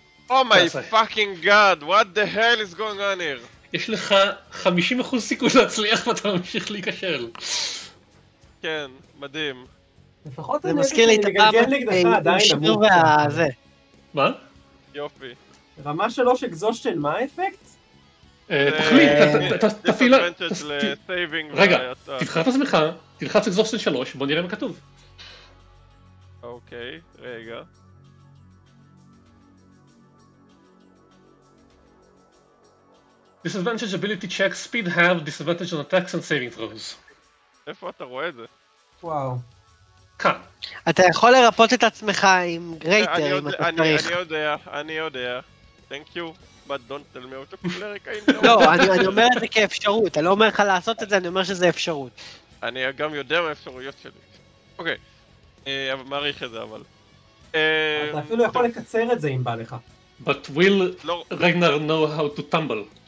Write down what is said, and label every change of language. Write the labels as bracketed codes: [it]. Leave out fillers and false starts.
[en] Oh my fucking god, what the hell is going on here? [he] יש לך 50% סיכוי להצליח ואתה ממשיך להיכשל. כן, מדהים. זה מזכיר לי את הפעם עם שיעור הזה. מה? יופי. רמה 3 אקזושן, מה האפקט? תחליט, תפעילה. רגע, תבחר את עצמך, תלחץ אקזושן 3, בוא נראה מה כתוב. אוקיי, רגע. [en] Disadvantage ability check speed have disadvantage on attacks and saving throws. [he] איפה אתה רואה את זה? וואו. אתה יכול לרפות את עצמך עם גרייטר אם אתה צריך. אני יודע. [en] Thank you, but don't tell me auto cleric. [he] לא, אני אומר את זה כאפשרות. אני לא אומר לך לעשות את זה, אני אומר שזה אפשרות. אני גם יודע מה האפשרויות שלי. אוקיי. אבל מעריך את זה, אבל. אתה אפילו יכול לקצר את זה אם בא לך. [en] But will Ragnar know how to tumble?